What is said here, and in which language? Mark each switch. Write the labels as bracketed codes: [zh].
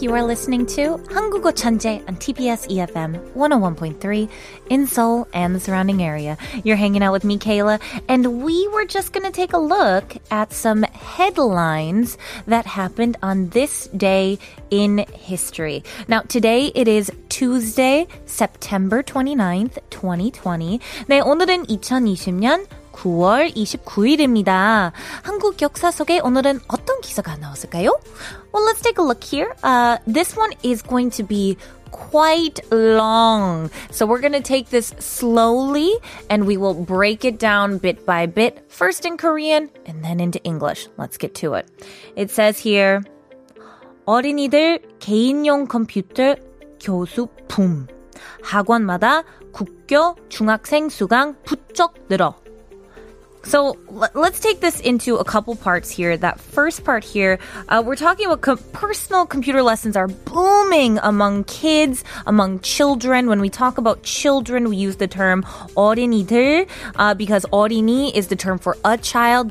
[en] You are listening to 한국어 천재 on TBS EFM 101.3 in Seoul and the surrounding area. You're hanging out with me, Kayla, and we were just going to take a look at some headlines that happened on this day in history. Now, today it is Tuesday, September 29th, 2020. [ko] 네, 오늘은 2020년 9월 29일입니다. 한국 역사 속에 오늘은 어떤 기사가 나왔을까요? [en] Well, let's take a look here. This one is going to be quite long. So we're going to take this slowly and we will break it down bit by bit, first in Korean and then into English. Let's get to it. It says here, [ko] 어린이들 개인용 컴퓨터 교수 붐. 학원마다 국교 중학생 수강 부쩍 늘어. [en] So let's take this into a couple parts here. That first part here, we're talking about personal computer lessons are booming among kids, among children. When we talk about children, we use the term 어린이들 because 어린이 is the term for a child.